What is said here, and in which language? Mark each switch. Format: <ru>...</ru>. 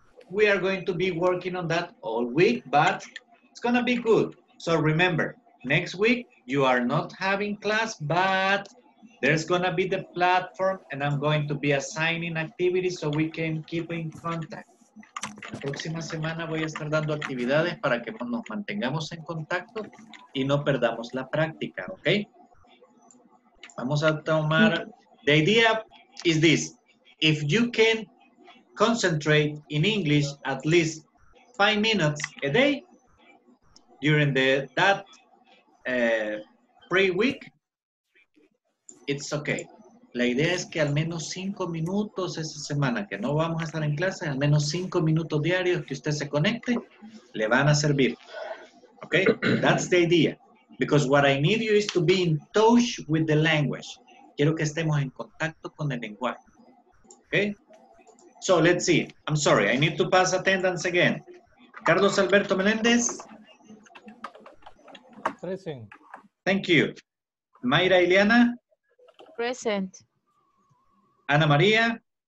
<en>We are going to be working on that all week, but it's gonna be good. So remember, next week, you are not having class, but there's gonna be the platform and I'm going to be assigning activities so we can keep in contact.</en> <es>La próxima semana voy a estar dando actividades para que nos mantengamos en contacto y no perdamos la práctica, ¿ok? Vamos a tomar...</es> <en>The idea is this. If you can concentrate in English at least 5 minutes a day during that free week, it's okay.</en> <es>La idea es que al menos 5 minutos esa semana, que no vamos a estar en clase, al menos 5 minutos diarios que usted se conecte, le van a servir.</es> <en>Okay? That's the idea. Because what I need you is to be in touch with the language.</en> <es>Quiero que estemos en contacto con el lenguaje.</es> <en>Okay? So let's see. I'm sorry, I need to pass attendance again. Carlos Alberto Menéndez. Present. Thank you. Mayra Ileana. Present. Ana María.</en>